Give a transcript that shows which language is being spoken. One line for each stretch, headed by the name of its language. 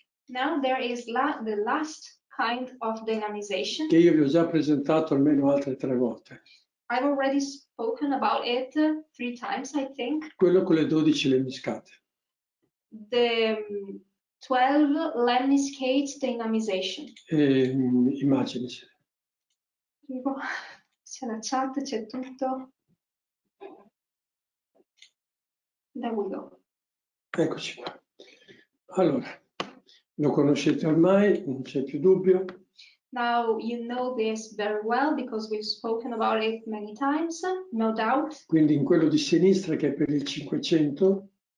English: Now there is the last kind of dynamization.
Italian: Che io vi ho già presentato almeno altre tre volte.
English: I've already spoken about it three times, I think.
Italian: Quello con le 12 lemniscate.
English: The 12 lemniscate dynamization.
Italian: Immagini. C'è la chat, c'è tutto.
English: There we go.
Italian: Eccoci qua. Allora, lo conoscete ormai, non c'è più dubbio.
English: Now you know this very well because we've spoken about it many times, no doubt.
Italian: Quindi in quello di sinistra che è per il 500.